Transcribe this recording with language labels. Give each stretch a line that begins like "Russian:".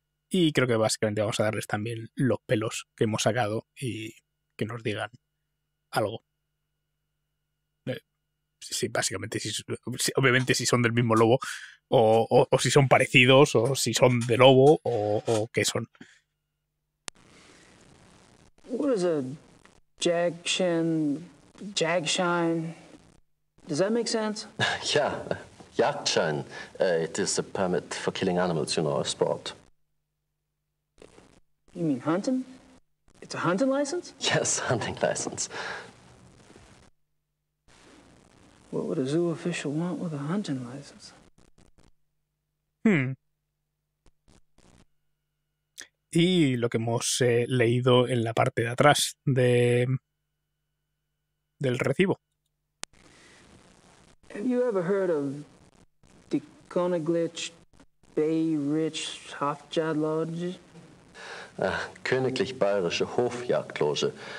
Spanish: Y creo que básicamente vamos a darles también los pelos que hemos sacado y que nos digan algo. Sí, básicamente, obviamente si son del mismo lobo o si son parecidos o si son de lobo o qué son.
English: What is a jagshin, jagshine? Does that make sense? Yeah, jagshine. It is a permit for killing animals, you know, a sport. You mean hunting? It's a hunting license? Yes, hunting license. What would a zoo official want with a hunting license?
Spanish: Y lo que hemos leído en la parte de atrás del recibo.
English: Have you ever heard of the Königlich Bay Ridge Hofjagd Lodge?
German: Königlich Bayerische Hofjagdloge.